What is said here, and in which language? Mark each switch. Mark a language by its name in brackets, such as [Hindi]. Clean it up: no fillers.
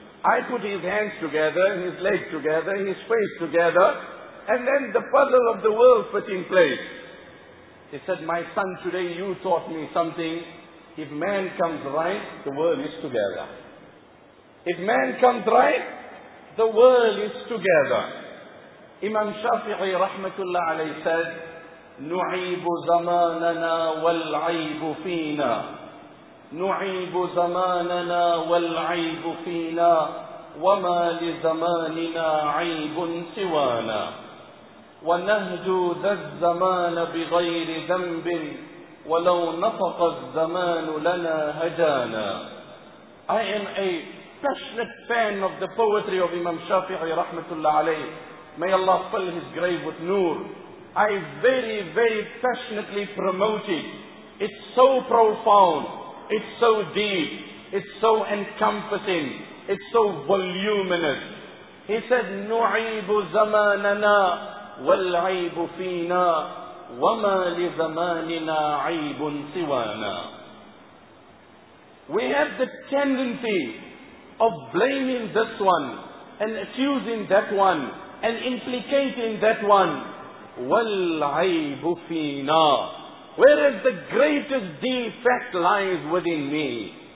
[English] I put his hands together, his legs together, his face together, and then the puzzle of the world fit in place. He said, my son, today you taught me something. If man comes right, the world is together. If man comes right, the world is together. Imam Shafi'i rahmatullah alayhi said, [Arabic] نُعِيبُ زَمَانَنَا وَالْعَيْبُ فِينَا نُعِيبُ زَمَانَنَا وَالْعَيْبُ فِينَا وَمَا لِزَمَانِنَا عَيْبٌ سِوَانَا وَنَهْجُو ذَا الزَّمَانَ بِغَيْرِ ذَنْبٍ وَلَوْ نَفَقَ الزَّمَانُ لَنَا هَجَانَا. [English] I am a passionate fan of the poetry of Imam Shafi'i rahmatullah alayh. May Allah fill his grave with nur. I very, very passionately promote it. It's so profound. It's so deep. It's so encompassing. It's so voluminous. He said, [Arabic] نُعِيبُ زَمَانَنَا وَالْعَيْبُ فِينَا وَمَا لِزَمَانِنَا عَيْبٌ سِوَانَا. [English] We have the tendency of blaming this one and accusing that one and implicating that one. [Arabic] وَالْعَيْبُ فِينَا. [English] Whereas the greatest defect lies within me.